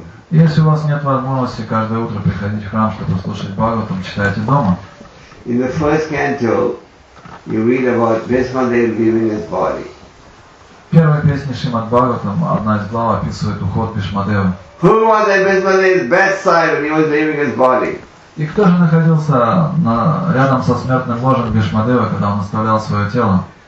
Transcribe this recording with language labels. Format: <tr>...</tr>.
<ru>Если у вас нет возможности каждое утро приходить в храм, чтобы слушать Бхагаватам, читайте дома. В первой песне Шримад Бхагаватам одна из глав описывает уход Бишмадевы.</ru> <en>Who was at Bhishmadev's bedside when he was leaving his body?</en> <ru>И кто же находился на рядом со смертным ложем Бишмадевы, когда он оставлял свое тело?</ru>